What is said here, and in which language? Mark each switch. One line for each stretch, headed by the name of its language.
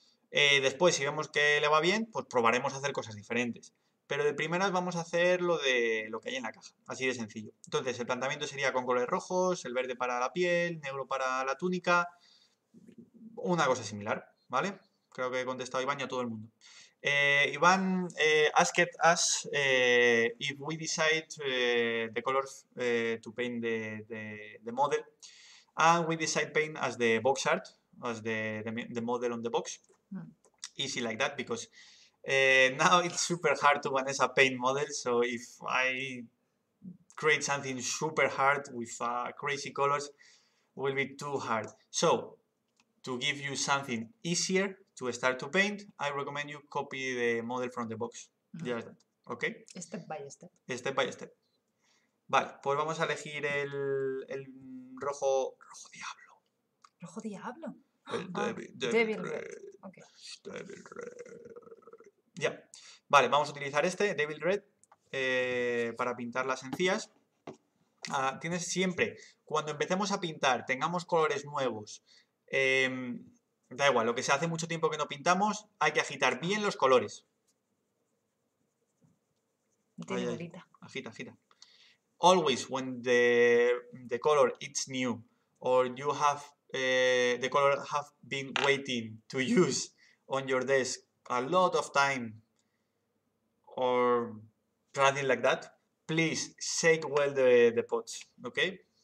Spanish: Después, si vemos que le va bien, pues probaremos a hacer cosas diferentes. Pero de primeras vamos a hacer lo de lo que hay en la caja. Así de sencillo. Entonces, el planteamiento sería con colores rojos, el verde para la piel, negro para la túnica. Una cosa similar, ¿vale? Creo que he contestado Iván y a todo el mundo.
English: Iván asked us if we decide the colors to paint the model. And we decide paint as the box art, as the model on the box. Easy like that, because... now it's super hard to Vanessa paint models, so if I create something super hard with crazy colors, it will be too hard. So, to give you something easier to start to paint, I recommend you copy the model from the box. Mm-hmm. Just that. Okay? Step by step. Step by step.
Spanish: Vale, pues vamos a elegir el rojo... ¿Rojo diablo? ¿Rojo diablo? El
English: Devil Red. Okay. Devil Red. Ya.
Spanish: Vale, vamos a utilizar este, Devil Red, para pintar las encías. Tienes siempre, cuando empecemos a pintar, tengamos colores nuevos, da igual, lo que sea, hace mucho tiempo que no pintamos, hay que agitar bien los colores. Ay, ay. Agita, agita.
English: Always when the color it's new or you have the color have been waiting to use on your desk a lot of time or something like that, please shake well the pots, okay?